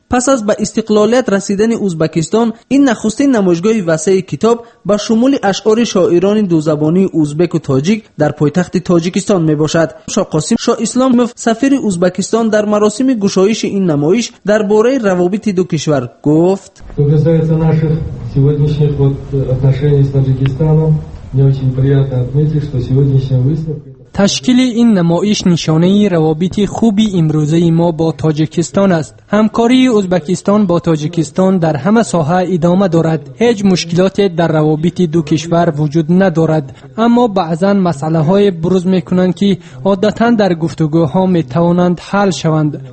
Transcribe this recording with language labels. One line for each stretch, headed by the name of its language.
Persian: پس از به استقلالیت رسیدن ازبکستان، این نخستین نمایشگاه وسیع کتاب به شمول اشعار شاعران دو زبانی ازبک و تاجیک در پایتخت تاجیکستان میباشد. شاه قاسم شاه اسلام سفیر ازبکستان در مراسم گشایش این نمایش درباره روابط دو کشور گفت:
Russian: наших сегодняшних вот отношений с Таджикистаном мне очень приятно отметить, что сегодняшняя выставка
Persian: تشکیل این نمایش نشانه روابط خوبی امروزه ما با تاجیکستان است. همکاری ازبکستان با تاجیکستان در همه ساحه ادامه دارد. هیچ مشکلاتی در روابط دو کشور وجود ندارد. اما بعضاً مسئله های بروز میکنند که عادتاً در گفتگوها میتوانند حل شوند.